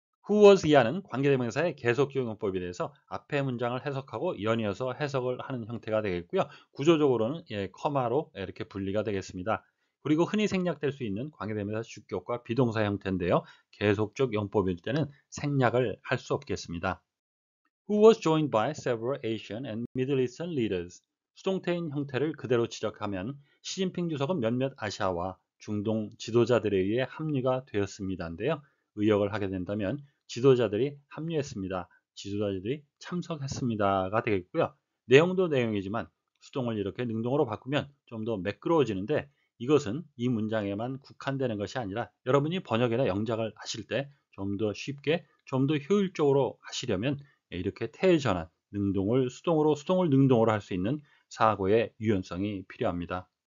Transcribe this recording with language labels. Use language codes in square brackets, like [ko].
[en] Who was [ko] 이하는 관계대명사의 계속형용법에 대해서 앞에 문장을 해석하고 연이어서 해석을 하는 형태가 되겠고요. 구조적으로는 커마로 이렇게 분리가 되겠습니다. 그리고 흔히 생략될 수 있는 관계대명사 주격과 비동사 형태인데요. 계속적 용법일 때는 생략을 할 수 없겠습니다. [en] Who was joined by several Asian and Middle Eastern leaders? [ko] 수동태인 형태를 그대로 지적하면 시진핑 주석은 몇몇 아시아와 중동 지도자들에 의해 합류가 되었습니다인데요. 의역을 하게 된다면 지도자들이 합류했습니다. 지도자들이 참석했습니다가 되겠고요. 내용도 내용이지만 수동을 이렇게 능동으로 바꾸면 좀 더 매끄러워지는데 이것은 이 문장에만 국한되는 것이 아니라 여러분이 번역이나 영작을 하실 때 좀 더 쉽게, 좀 더 효율적으로 하시려면 이렇게 태전환, 능동을 수동으로, 수동을 능동으로 할 수 있는 사고의 유연성이 필요합니다.